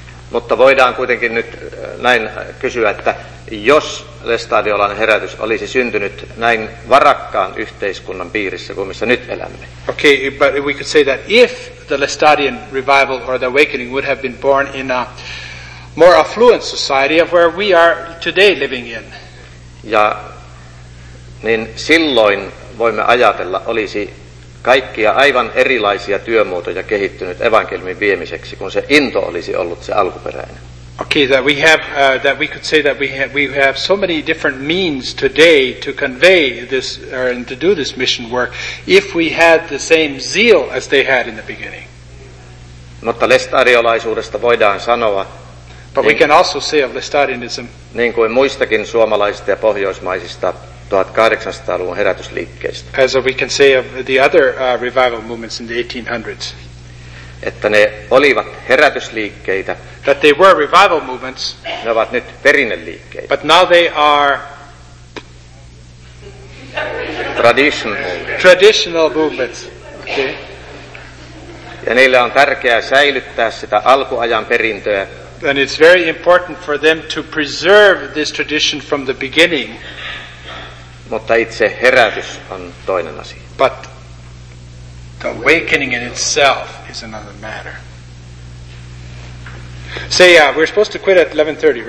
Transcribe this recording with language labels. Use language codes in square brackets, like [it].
[fi] Mutta voidaan kuitenkin nyt näin kysyä, että jos Lestadiolan herätys olisi syntynyt näin varakkaan yhteiskunnan piirissä kuin missä nyt elämme. [en] Okay, but we could say that if the Lestadian revival or the awakening would have been born in a more affluent society of where we are today living in. [fi] Ja niin silloin voimme ajatella olisi kaikkia aivan erilaisia työmuotoja kehittynyt evankeliumin viemiseksi, kun se into olisi ollut se alkuperäinen. [en] Okay, that we have that we could say that we have so many different means today to convey this or to do this mission work if we had the same zeal as they had in the beginning. [fi] Mutta lestadiolaisuudesta voidaan sanoa. [en] But we can also say of Lestadianism. [fi] Niin kuin muistakin suomalaisista ja pohjoismaisista 1800-luvun herätysliikkeestä. [en] As we can say of the other revival movements in the 1800s. [fi] Että ne olivat herätysliikkeitä. [en] That they were revival movements. [fi] Ne ovat nyt perinneliikkeitä. [en] But now they are traditional movements. Okay. [fi] Ja niillä on tärkeää säilyttää sitä alkuajan perintöä. [en] And it's very important for them to preserve this tradition from the beginning. [fi] Mutta itse herätys on toinen asia. [en] But the awakening in itself is another matter. Say, so, we're supposed to quit at 11:30, right?